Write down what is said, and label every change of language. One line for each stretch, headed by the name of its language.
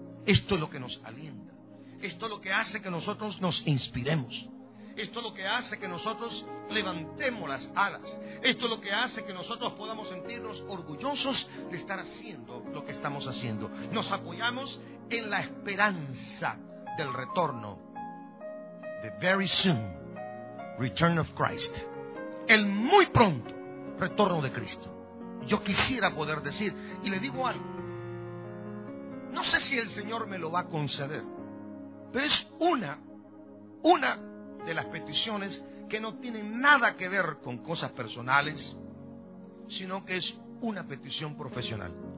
Spanish: Esto es lo que nos alienta. Esto es lo que hace que nosotros nos inspiremos. Esto es lo que hace que nosotros levantemos las alas. Esto es lo que hace que nosotros podamos sentirnos orgullosos de estar haciendo lo que estamos haciendo. Nos apoyamos en la esperanza del retorno.
English: The very soon return of Christ.
Spanish: El muy pronto retorno de Cristo. Yo quisiera poder decir, y le digo algo, no sé si el Señor me lo va a conceder, pero es una de las peticiones que no tienen nada que ver con cosas personales, sino que es una petición profesional.